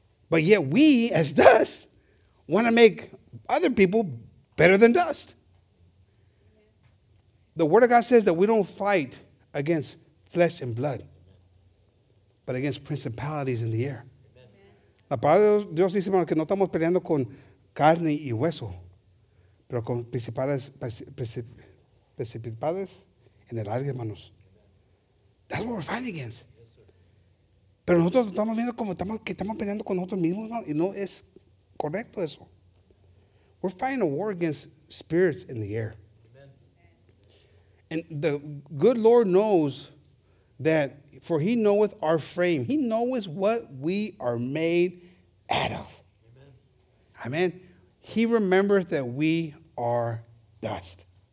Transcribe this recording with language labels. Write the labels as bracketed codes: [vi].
[en] But yet we, as dust, want to make other people better than dust. The word of God says that we don't fight against flesh and blood, but against principalities in the air. [es] La palabra de Dios dice, hermano, que no estamos peleando con carne y hueso, pero con principales en el aire, hermanos. [en] That's what we're fighting against. [es] Pero nosotros estamos viendo como estamos peleando con nosotros mismos, hermano, y no es correcto eso. [en] We're fighting a war against spirits in the air. Amen. And the good Lord knows that, for he knoweth our frame. He knoweth what we are made out of. Amen. Amen. He remembers that we are dust.